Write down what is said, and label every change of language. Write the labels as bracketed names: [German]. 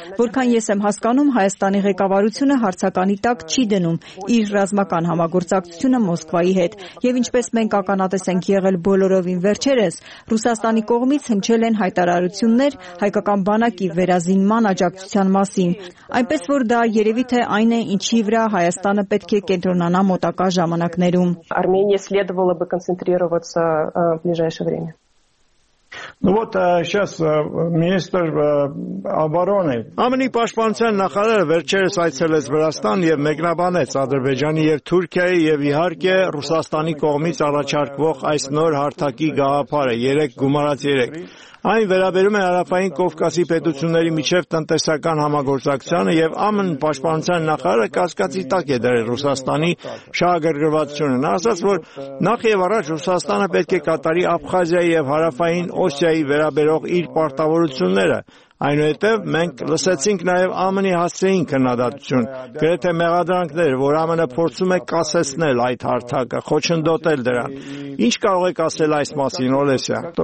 [Armenian] որքան ես եմ հասկանում, Հայաստանի ղեկավարությունը հարցականի տակ չի դնում իր ռազմական համագործակցությունը Մոսկվայի հետ, եւ ինչպես մենք ականատես ենք եղել բոլորովին վերջերս, Ռուսաստանի կողմից հնչել են հայտարարություններ հայկական բանակի վերազինման աջակցության մասին, այնպես որ դա երևի թե այն է, ինչի վրա Հայաստանը պետք է կենտրոնանա մոտակա ժամանակներում։ [Russian] Армении следовало бы концентрироваться в ближайшее время. Ну вот сейчас министр обороны. [Armenian] Ամենի պաշտպանության նախարարը վերջերս այցելեց Վրաստան եւ մեկնաբանեց Ադրբեջանի եւ Թուրքիայի եւ իհարկե Ռուսաստանի կողմից առաջարկվող այս նոր հարթակի գաղափարը 3:3։ Այն վերաբերում է Հարավային Կովկասի պետությունների միջև տնտեսական համագործակցությանը եւ ԱՄՆ պաշտպանության նախարարը կասկածի տակ է դրել Ռուսաստանի շահագրգռվածությունը։ Նա ասաց, որ նախ եւ առաջ Ռուսաստանը պետք է կատարի Աբխազիայի եւ Հարավային Օսիայի վերաբերող իր պարտավորությունները։ Այնուհետև մենք լսեցինք նաև ԱՄՆ-ի հասցեին քննադատություն, գրեթե մեղադրանքներ, որ ԱՄՆ-ը փորձում է կասեցնել այդ հարթակը, խոչընդոտել դրան։ Ինչ կարող եք ասել այս մասին, Օլեսյա?